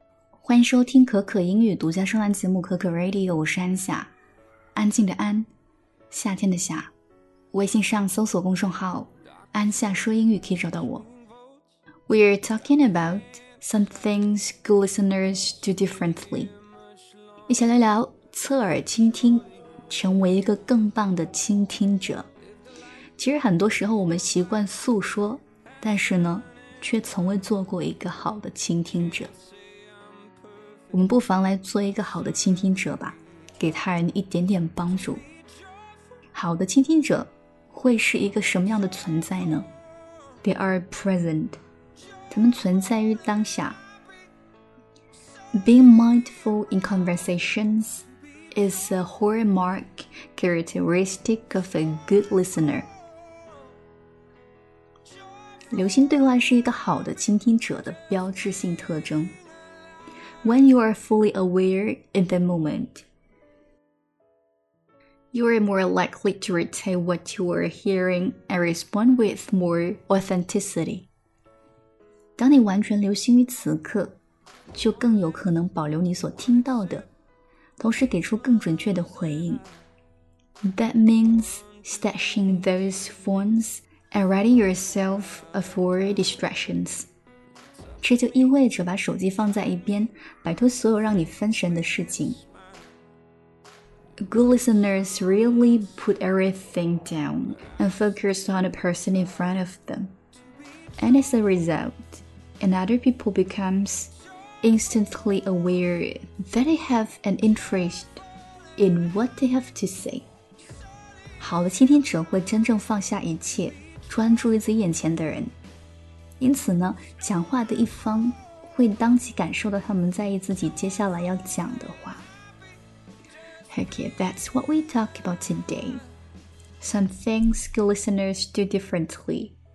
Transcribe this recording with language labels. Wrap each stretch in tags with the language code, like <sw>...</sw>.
<zh>欢迎收听可可英语独家专栏节目《可可 Radio》，我是安夏，安静的安，夏天的夏。微信上搜索公众号“安夏说英语”可以找到我。</zh> <en>We're talking about some things good listeners do differently。</en> <zh>一起来聊侧耳倾听，成为一个更棒的倾听者。其实很多时候我们习惯诉说，但是呢，却从未做过一个好的倾听者。我们不妨来做一个好的倾听者吧，给他人一点点帮助。好的倾听者会是一个什么样的存在呢？</zh> <en>They are present，</en> <zh>他们存在于当下。</zh> <en>Being mindful in conversations is a hallmark characteristic of a good listener。</en> <zh>留心对话是一个好的倾听者的标志性特征。</zh> <en>When you are fully aware in the moment, you are more likely to retain what you are hearing and respond with more authenticity.</en> <zh>当你完全留心于此刻，就更有可能保留你所听到的，同时给出更准确的回应。</zh> <en>That means stashing those phones and ridding yourself of your distractions.</en> <zh>这就意味着把手机放在一边，摆脱所有让你分神的事情。</zh> <en>Good listeners really put everything down and focus on the person in front of them. And as a result, another people becomes instantly aware that they have an interest in what they have to say.</en> <zh>好的倾听者会真正放下一切，专注于自己眼前的人。因此呢，讲话的一方会当即感受到他们在意自己接下来要讲的话。</zh> <en>Okay, that's what we talk about today. Some things good listeners do differently.</en>